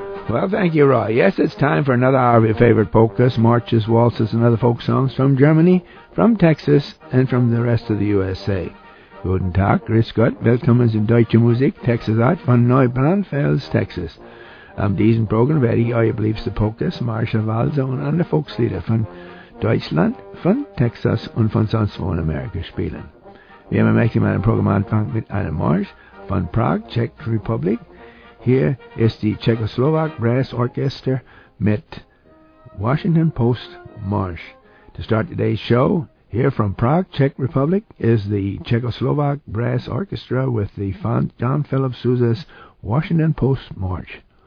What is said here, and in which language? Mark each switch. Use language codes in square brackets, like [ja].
[en] Well, thank you, Roy. Yes, it's time for another hour of your favorite polkas, marches, waltzes, and other folk songs from Germany, from Texas, and from the rest of the USA. [de] Guten Tag, grüß Gott, willkommen in deutsche Musik, Texas Art von Neubrandfels, Texas. Am diesem Programm werde ich euer beliebste Polkas, Marsche, Walzer und andere Volkslieder von Deutschland, von Texas und von sonst wo in Amerika spielen. Wie immer möchte ich mein Programm anfangen mit einem Marsch von Prag, Czech Republic. Hier ist die Czechoslovak Brass Orchester mit Washington Post Marsch. [en] To start today's show, here from Prague, Czech Republic, is the Czechoslovak Brass Orchestra with the John Philip Sousa's Washington Post March.